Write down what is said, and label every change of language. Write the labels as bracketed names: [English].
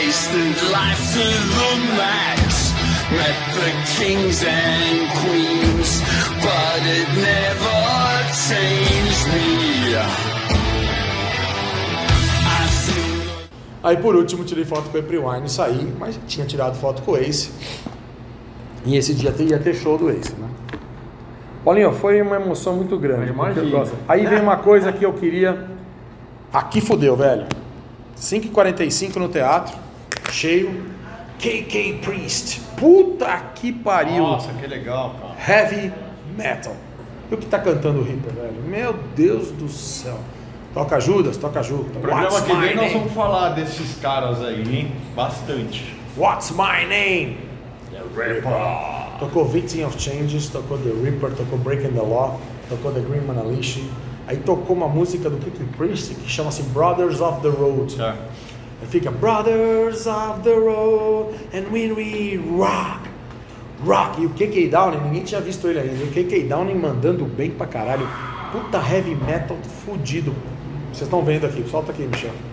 [English] Life to the max, met the kings and queens, but it never changed me. [Portuguese] Aí por último tirei foto com o Epri Wine e saí, mas tinha tirado foto com o Ace. E esse dia ia ter show do Ace, né? Paulinho, foi uma emoção muito grande. Imagina. Aí vem uma coisa que eu queria. Aqui fodeu, velho. 5h45 no teatro. Cheio, KK Priest, puta que pariu! Nossa, que legal, cara! Heavy metal, e o que tá cantando o Reaper, velho? Meu Deus do céu! Toca Judas, toca Judas. O programa que vem nós vamos falar desses caras aí, hein? Bastante. [English] What's my name? The Reaper. [Portuguese] Tocou Victim of Changes, tocou The Reaper, tocou Breaking the Law, tocou The Green Man Unleashed. Aí tocou uma música do KK Priest que chama-se Brothers of the Road. É. Aí fica, Brothers of the Road, [English] and when we rock, rock. [Portuguese] E o KK Downing, ninguém tinha visto ele ainda. O KK Downing mandando bem pra caralho. Puta heavy metal fudido. Vocês estão vendo aqui, solta aqui, Michel.